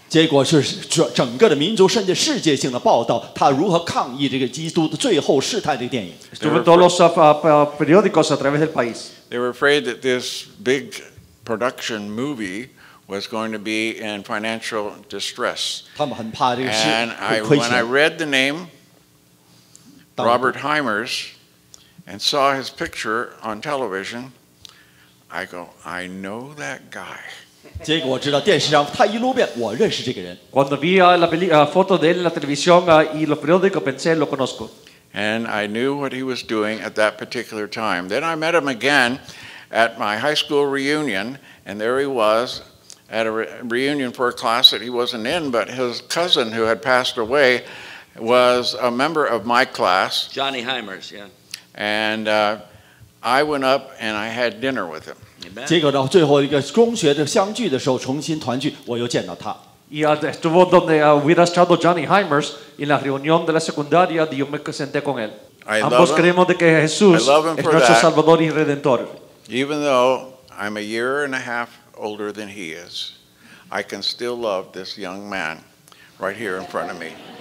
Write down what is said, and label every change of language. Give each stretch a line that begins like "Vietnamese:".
English: They were afraid that this big production movie was going to be in financial distress. And when I read the name Robert Hymers and saw his picture on television, I go, I know that guy.
Chinese: 结果我知道电视上他一路遍，我认识这个人。
Spanish: Cuando vi la foto de él en la televisión y los periódicos pensé lo conozco.
English: And I knew what he was doing at that particular time. Then I met him again at my high school reunion, and there he was at a reunion for a class that he wasn't in, but his cousin who had passed away was a member of my class. Johnny Hymers, yeah. And I went up and I had dinner with him.
Chinese: 结果到最后一个中学的相聚的时候，重新团聚，我又见到他。Estuvo
Spanish: donde hubiera estado Johnny Hymers en la reunión de la secundaria, yo me senté con él. Ambos creemos de que Jesús es nuestro Salvador y Redentor.
English: Even though I'm a year and a half older than he is, I can still love this young man right here in front of me.